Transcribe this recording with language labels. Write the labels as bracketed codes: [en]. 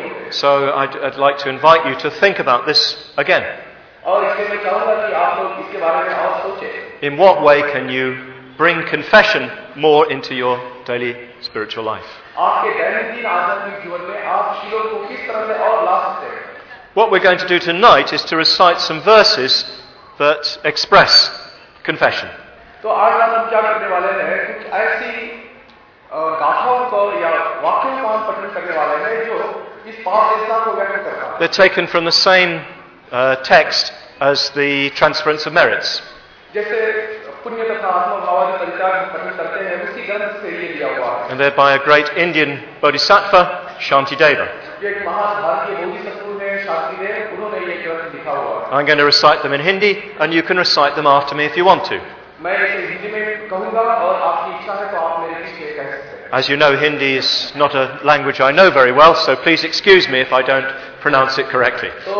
[en] So I'd like to invite you to think about this again. [hi] और इसके मैं चाहूंगा कि आप लोग इसके बारे में और सोचें. [en] In what way can you bring confession more into your daily spiritual life? [hi] आपके दैनिक आध्यात्मिक जीवन में आप शीलों को किस तरह से और ला सकते हैं? [en] What we're going to do tonight is to recite some verses that express confession. [hi] तो आज रात हम क्या करने वाले हैं? कुछ ऐसी गाथाओं को या वाक्यों को हम पठन करने वाले हैं जो इस पाप देशना को व्यक्त करता है. [en] They're taken from the same text as the transference of merits. [hi] जैसे पुण्य तथा आत्मभाव का परिचार पठन करते हैं उसी ग्रंथ से ये लिया हुआ है. [en] And they're by a great Indian bodhisattva, Shantideva. [hi] ये एक महान भारतीय बोधिसत्व हैं शांतिदेव, उन्होंने ये ग्रंथ लिखा हुआ [en] है. I'm going to recite them in Hindi and you can recite them after me if you want to. [hi] मैं इसे हिंदी में कहूंगा और आपकी इच्छा है तो आप मेरे पीछे कह सकते हैं. [en] As you know, Hindi is not a language I know very well, so please excuse me if I don't pronounce it correctly.